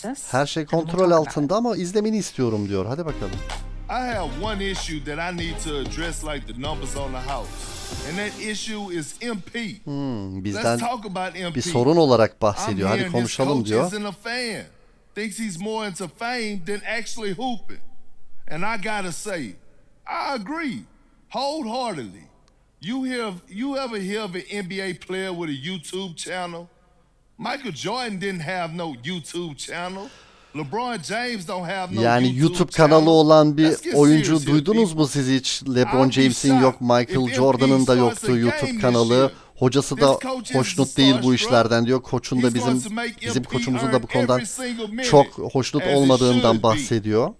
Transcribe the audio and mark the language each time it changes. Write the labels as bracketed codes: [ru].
[tr] Her şey kontrol altında ama izlemeni istiyorum diyor. Hadi bakalım. [en] I have one issue that I need to address, like the numbers on the house. And that issue is MP. [tr] Bizden bir sorun olarak bahsediyor. Hadi konuşalım diyor. [en] I'm hearing this coach isn't a fan. Thinks he's more into fame than actually hooping. And I gotta say, I agree wholeheartedly. You ever hear of an NBA player with a YouTube channel? Michael Jordan didn't have no YouTube channel. LeBron James don't have no. [tr] Yani YouTube kanalı olan bir oyuncu duydunuz mu siz hiç? LeBron James'in yok, Michael Jordan'ın da yoktu YouTube kanalı. Hocası da hoşnut değil bu işlerden diyor. Koçun da bizim koçumuzun da bu konudan çok hoşnut olmadığından bahsediyor.